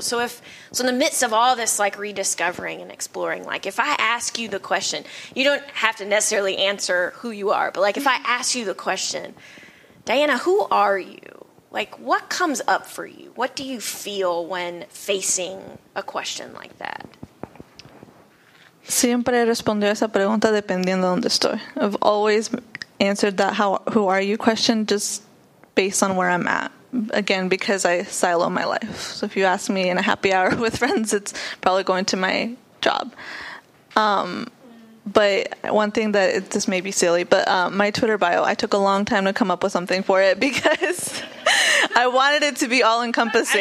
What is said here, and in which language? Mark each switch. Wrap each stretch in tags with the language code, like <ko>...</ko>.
<en>So in the midst of all this, like, rediscovering and exploring, like, if I ask you the question, you don't have to necessarily answer who you are, but, like, if I ask you the question, Diana, who are you? Like, what comes up for you? What do you feel when facing a question like that?</en> <es>Siempre he respondido esa pregunta dependiendo de dónde estoy.</es> <en>I've always answered that "how, who are you" question just based on where I'm at. Again, because I silo my life. So if you ask me in a happy hour with friends, it's probably going to my job. But one thing that, it, this may be silly, but my Twitter bio, I took a long time to come up with something for it because I wanted it to be all-encompassing.</en>